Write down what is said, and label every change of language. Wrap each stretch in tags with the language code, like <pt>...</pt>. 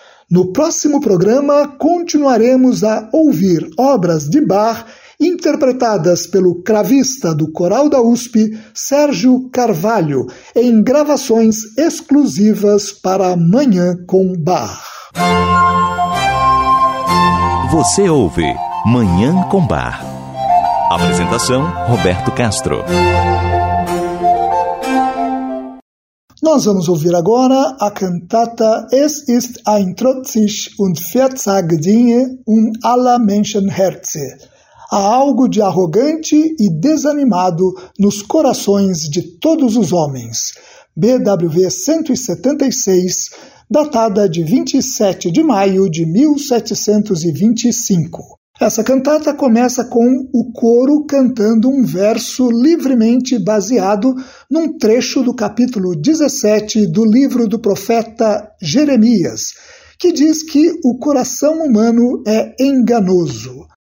<pt>No próximo programa, continuaremos a ouvir obras de Bach interpretadas pelo cravista do Coral da USP, Sérgio Carvalho, em gravações exclusivas para Manhã com Bach. Você ouve Manhã com Bach. Apresentação, Roberto Castro. Nós vamos ouvir agora a cantata</pt> <de>Es ist ein trotzig und verzag Dinge und aller Menschen Herze.</de> <pt>Há algo de arrogante e desanimado nos corações de todos os homens. BWV 176, datada de 27 de maio de 1725. Essa cantata começa com o coro cantando um verso livremente baseado num trecho do capítulo 17 do livro do profeta Jeremias, que diz que o coração humano é enganoso.</pt>